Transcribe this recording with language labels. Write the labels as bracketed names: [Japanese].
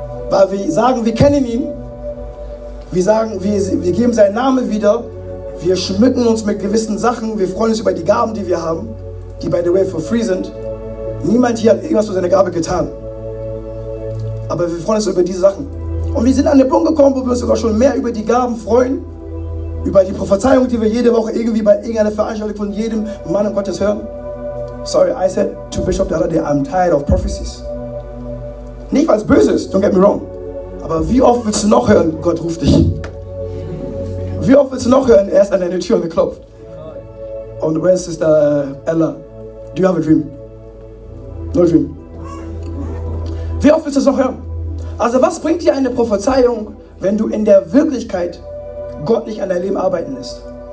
[German] Weil wir sagen, wir kennen ihn, wir geben seinen Namen wieder, wir schmücken uns mit gewissen Sachen, wir freuen uns über die Gaben, die wir haben, die [English] by the way for free [German] sind. Niemand hier hat irgendwas für seine Gabe getan. Aber wir freuen uns über diese Sachen. Und wir sind an den Punkt gekommen, wo wir uns sogar schon mehr über die Gaben freuen, über die Prophezeiung, die wir jede Woche irgendwie bei irgendeiner Veranstaltung von jedem Mann Gottes hören. [English] Sorry, I said to Bishop the other day, I'm tired of prophecies. [German] Nicht, weil es böse ist, [English] don't get me wrong. [German] Aber wie oft willst du noch hören, Gott ruft dich? Wie oft willst du noch hören, er ist an deine Tür geklopft? [English] Und where is Sister Ella? Do you have a dream? No dream. [German] Wie oft willst du es noch hören? Also was bringt dir eine Prophezeiung, wenn du in der Wirklichkeit Gott nicht an deinem Leben arbeiten lässt?